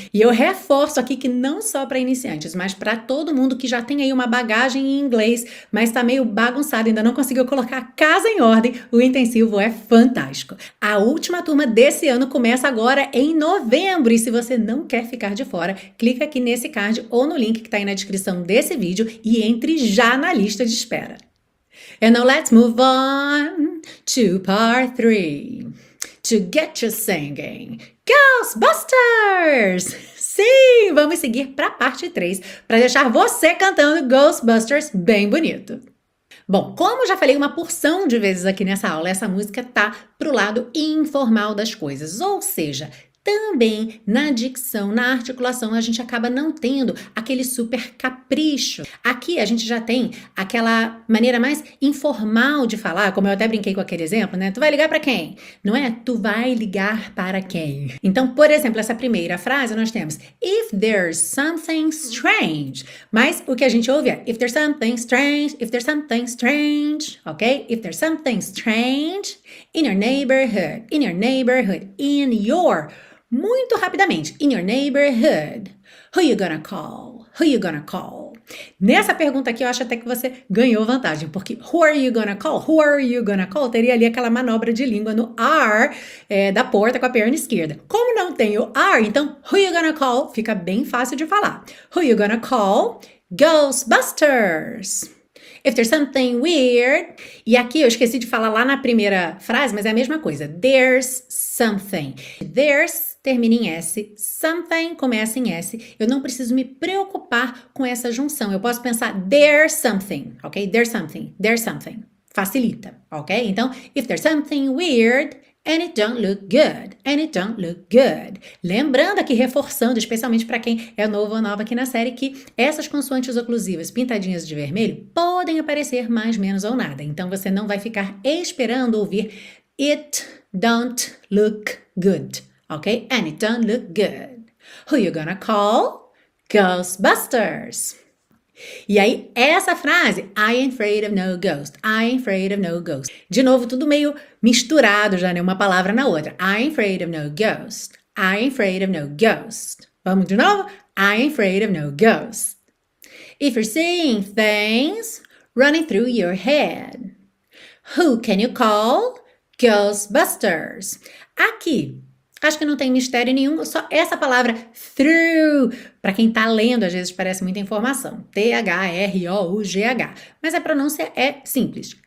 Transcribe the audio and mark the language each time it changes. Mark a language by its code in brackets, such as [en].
[pt] E eu reforço aqui que não só para iniciantes, mas para todo mundo que já tem aí uma bagagem em inglês, mas está meio bagunçado, ainda não conseguiu colocar a casa em ordem, o intensivo é fantástico. A última turma desse ano começa agora em novembro. E se você não quer ficar de fora, clica aqui nesse card ou no link que está aí na descrição desse vídeo e entre já na lista de espera. [en] And now let's move on to part three. To get you singing. Ghostbusters! [pt] Sim, vamos seguir para a parte 3 para deixar você cantando Ghostbusters bem bonito. Bom, como já falei uma porção de vezes aqui nessa aula, essa música tá pro lado informal das coisas, ou seja, também na dicção, na articulação, a gente acaba não tendo aquele super capricho. Aqui a gente já tem aquela maneira mais informal de falar, como eu até brinquei com aquele exemplo, né? Tu vai ligar para quem? Não é? Tu vai ligar para quem? Então, por exemplo, essa primeira frase nós temos [en] If there's something strange. [pt] Mas o que a gente ouve é [en] If there's something strange, if there's something strange, ok? If there's something strange in your neighborhood, in your. [pt] Muito rapidamente, [en] in your neighborhood, who you gonna call? Who you gonna call? [pt] Nessa pergunta aqui, eu acho até que você ganhou vantagem, porque [en] who are you gonna call? Who are you gonna call? [pt] Teria ali aquela manobra de língua no R, da porta com a perna esquerda. Como não tem o R, então [en] who you gonna call? [pt] Fica bem fácil de falar. [en] Who you gonna call? [pt] Ghostbusters. [en] If there's something weird. [pt] E aqui eu esqueci de falar lá na primeira frase, mas é a mesma coisa. [en] There's something. There's [pt] termina em S. Something começa em S. Eu não preciso me preocupar com essa junção. Eu posso pensar [en] there's something, ok? There's something. There's something. [pt] Facilita, ok? Então, [en] if there's something weird. And it don't look good. And it don't look good. [pt] Lembrando aqui, reforçando, especialmente para quem é novo ou nova aqui na série, que essas consoantes oclusivas pintadinhas de vermelho podem aparecer mais, menos ou nada. Então você não vai ficar esperando ouvir [en] it don't look good. Ok? And it don't look good. Who you gonna call? Ghostbusters. [pt] E aí, essa frase, [en] I ain't afraid of no ghost, I ain't afraid of no ghost. [pt] De novo, tudo meio misturado já, né? Uma palavra na outra. [en] I ain't afraid of no ghost, I ain't afraid of no ghost. [pt] Vamos de novo? [en] I ain't afraid of no ghost. If you're seeing things running through your head, who can you call? [pt] Ghostbusters. Aqui. Acho que não tem mistério nenhum, só essa palavra through, para quem tá lendo, às vezes parece muita informação. THROUGH. Mas a pronúncia é simples.